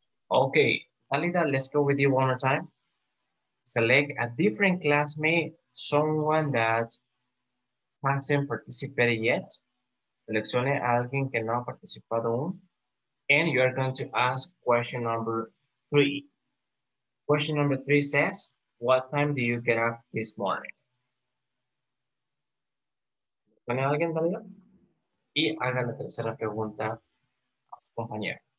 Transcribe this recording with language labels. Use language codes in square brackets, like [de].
[en] Okay, Dalida, let's go with you one more time. Select a different classmate, someone that hasn't participated yet. [es] Seleccione a alguien que no ha participado aún. [en] And you are going to ask question number 3. Question number 3 says, what time do you get up this morning? [es] Seleccione a alguien, Dalida. Y haga la tercera pregunta a su compañero.